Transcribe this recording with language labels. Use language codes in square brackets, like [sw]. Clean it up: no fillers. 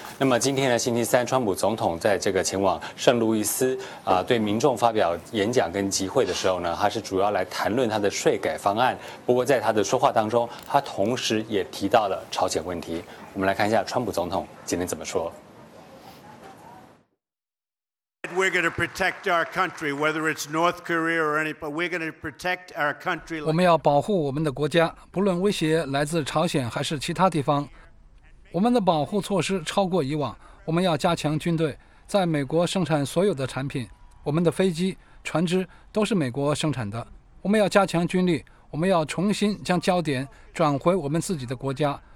[zh] 那么今天呢，星期三，川普总统在这个前往圣路易斯对民众发表演讲跟集会的时候呢，他是主要来谈论他的税改方案，不过在他的说话当中，他同时也提到了朝鲜问题。我们来看一下川普总统今天怎么说。 [en] We're going to protect our country, whether it's North Korea or anybody, we're going to protect our country. [zh] 我们要保护我们的国家，不论威胁来自朝鲜还是其他地方。我们的保护措施超过以往，我们要加强军队，在美国生产所有的产品，我们的飞机、船只都是美国生产的。我们要加强军力，我们要重新将焦点转回我们自己的国家。